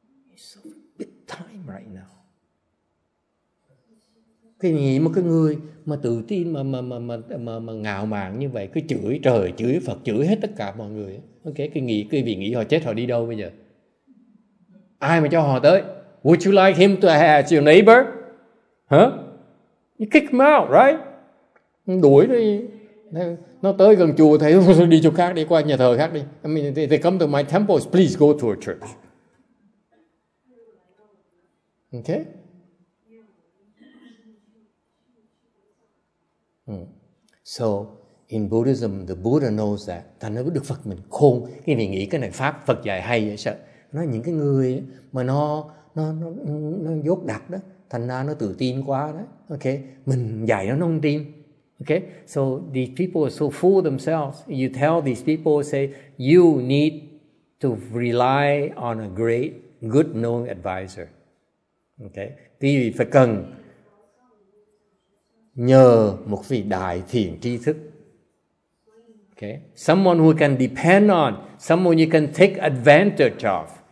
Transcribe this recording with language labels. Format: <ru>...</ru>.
<en>He's so big time right now.</en> <vi>Cái gì mà cái người mà tự tin mà ngạo mạn như vậy, cứ chửi trời, chửi Phật, chửi hết tất cả mọi người. Okay, cái vị nghĩ họ chết họ đi đâu bây giờ? Ai mà cho họ tới?</vi> <en>Would you like him to have your neighbor? Huh? You kick him out, right?</en> <vi>Đuổi đi. Nó tới gần chùa thầy, đi chỗ khác đi, qua nhà thờ khác đi.</vi> <en>I mean, they come to my temples, please go to a church. Okay? So, in Buddhism, the Buddha knows that.</en> <vi>Thành nó được Phật mình khôn. Cái này nghĩ cái này Pháp, Phật dạy hay vậy sao? Nó những cái người mà nó dốt đặc đó, thành ra nó tự tin quá đó. Okay, mình dạy nó không tin.</vi> <en>Okay, so these people are so fool themselves. You tell these people, say, you need to rely on a great, good knowing advisor.</en> <vi>Okay, thì phải cần nhờ một vị đại thiện tri thức.</vi> <en>Okay, someone who can depend on, someone you can take advantage of.</en>